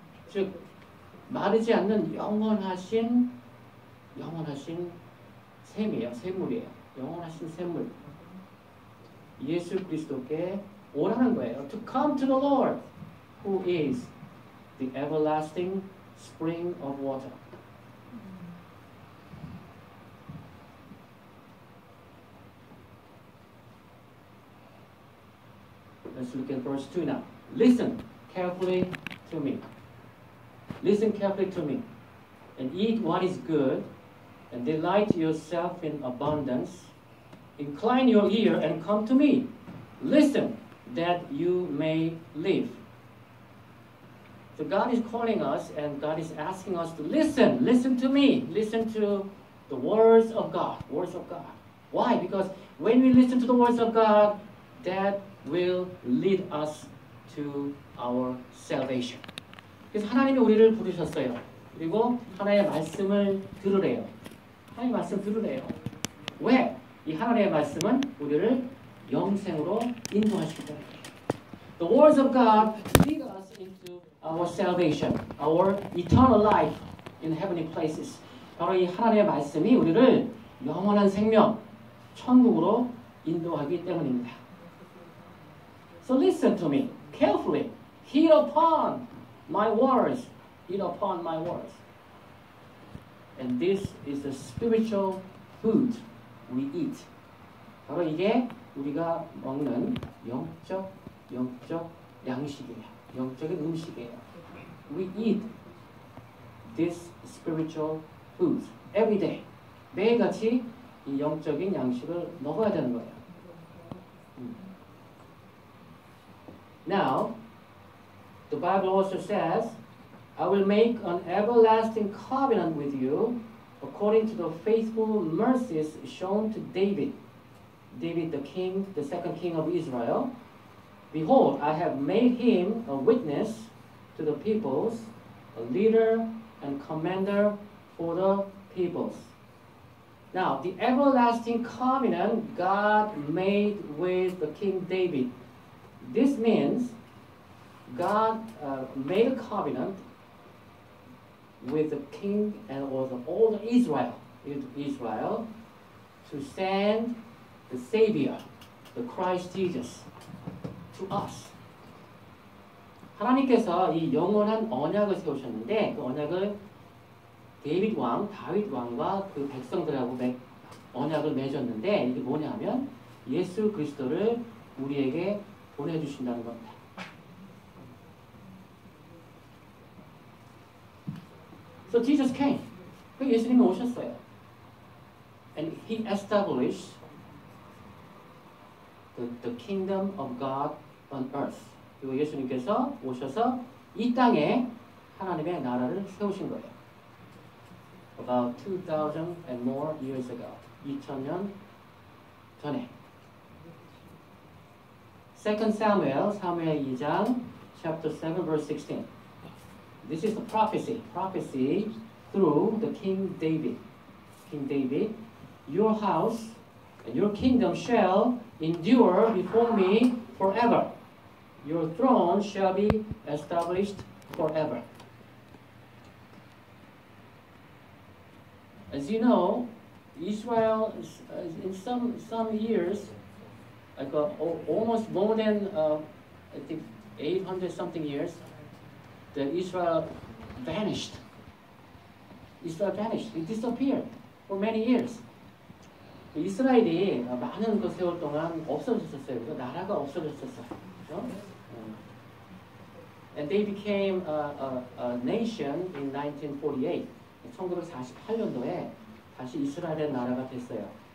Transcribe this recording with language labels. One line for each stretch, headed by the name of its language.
Korean: 즉 마르지 않는 영원하신 영원하신 샘이에요. 샘물이에요. 영원하신 샘물. 예수 그리스도께 오라는 거예요.
English: To come to the Lord who is the everlasting spring of water.
Korean: 그러니까
English: verse 2 now. Listen carefully to me. Listen carefully to me. And eat what is good and delight yourself in abundance. Incline your ear and come to me. Listen that you may live. So God is calling us and God is asking us to listen. Listen to me. Listen to the words of God. Words of God. Why? Because when we listen to the words of God, that will lead us to our salvation.
Korean: 그래서 하나님이 우리를 부르셨어요. 그리고 하나님의 말씀을 들으래요. 하나님의 말씀 들으래요. 왜? 이 하나님의 말씀은 우리를 영생으로 인도하시기 때문에.
English: The words of God lead us into our salvation, our eternal life in heavenly places.
Korean: 바로 이 하나님의 말씀이 우리를 영원한 생명, 천국으로 인도하기 때문입니다.
English: So listen to me carefully. Hear upon my words. Hear upon my words. And this is the spiritual food we eat.
Korean: 바로 이게 우리가 먹는 영적 양식이에요. 영적인 음식이에요.
English: We eat this spiritual food every day.
Korean: 매일같이 이 영적인 양식을 먹어야 되는 거예요.
English: Now, the Bible also says, I will make an everlasting covenant with you according to the faithful mercies shown to David, David the king, the second king of Israel. Behold, I have made him a witness to the peoples, a leader and commander for the peoples. Now, the everlasting covenant God made with the king David. This means God made a covenant with the king and with all the Israel to send the Savior, the Christ Jesus, to us.
Korean: 하나님께서 이 영원한 언약을 세우셨는데 그 언약을 데이빗 왕, 다윗 왕과 그 백성들하고 언약을 맺었는데 이게 뭐냐면 예수 그리스도를 우리에게 보내주신다는 겁니다.
English: So Jesus came.
Korean: 그 예수님이 오셨어요.
English: And he established the kingdom of God on earth.
Korean: 그리고 예수님께서 오셔서 이 땅에 하나님의 나라를 세우신 거예요.
English: About 2,000 and more years ago.
Korean: 2000년 전에.
English: 2 Samuel, Samuel 2장, chapter 7, verse 16. This is the prophecy. Prophecy through the King David. King David, your house and your kingdom shall endure before me forever. Your throne shall be established forever. As you know, Israel, in some years, like almost more than I think 800 something years, that Israel vanished. Israel vanished. It disappeared for many years.
Korean: 이스라엘이 많은 그 세월 동안 없어졌었어요. 그래서 나라가 없어졌었어요. 그렇죠?
English: And they became a nation in 1948.
Korean: 1948년도에 다시 이스라엘의 나라가 됐어요.